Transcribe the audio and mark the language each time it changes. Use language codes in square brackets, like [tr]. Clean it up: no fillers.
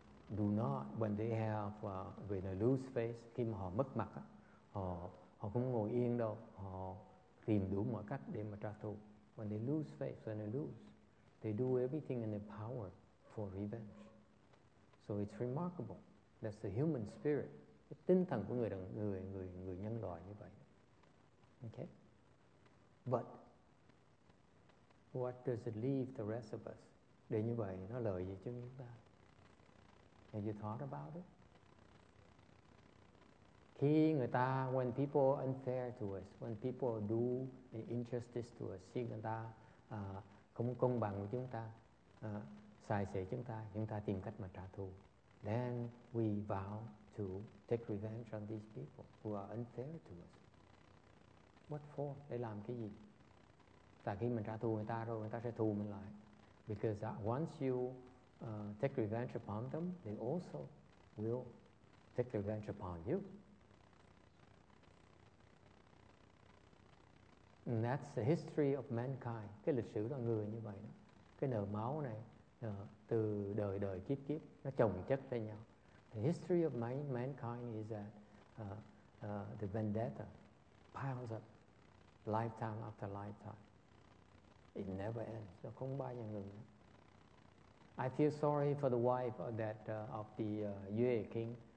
[en] They do not, when they have when they lose face, [vi] khi mà họ mất mặt, họ không ngồi yên đâu, họ tìm đủ mọi cách để mà trả thù. [en] When they lose face, when they lose, they do everything in their power for revenge. So it's remarkable. That's the human spirit. [vi] Cái tinh thần của người nhân loại như vậy. [en] Okay? But what does it leave the rest of us? [vi] Để như vậy nó lợi gì cho chúng ta? [en] Have you thought about it? [vi] Khi người ta, [en] when people are unfair to us, [vi] when people do an injustice to us, khi người ta không công bằng với chúng ta, sai sẻ chúng ta tìm cách mà trả thù. [en] Then we vow to take revenge on these people who are unfair to us. What for? [vi] Để làm cái gì? Tại khi mình trả thù người ta rồi, người ta sẽ thù mình lại. [en] Because once you take revenge upon them, they also will take revenge upon you. And that's the history of mankind. [vi] Cái lịch sử loài người như vậy đó. Cái nợ máu này từ đời đời kiếp kiếp nó chồng chất lên nhau. [en] The history of mankind is that the vendetta piles up lifetime after lifetime. It never ends. [vi] Nó không bao giờ ngừng. [en] I feel sorry for the wife of that of the Yue king.